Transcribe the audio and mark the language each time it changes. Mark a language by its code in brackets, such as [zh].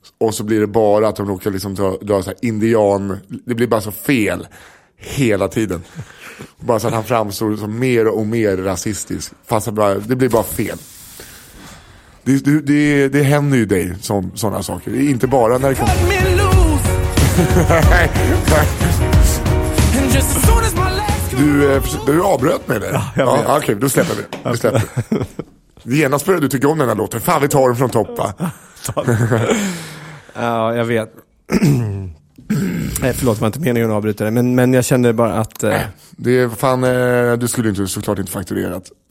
[sv] Och så blir det bara att de råkar liksom dra så här indian. Det blir bara så fel hela tiden. Bara så att han framstår som mer och mer rasistisk. Fast det blir bara fel. Det händer ju dig sådana saker. Det är inte bara när det kommer... [en] Cut me loose. And just as soon as my legs... [sv] Du avbröt mig där. Ja, okej, då släpper vi. Då släpper vi. Genast började du tycka om den här låten. Fan, vi tar den från topp, va? Ja, jag vet. Förlåt, man inte meningen att avbryta det. Men jag kände bara att... Det är fan... Du skulle inte såklart inte fakturerat.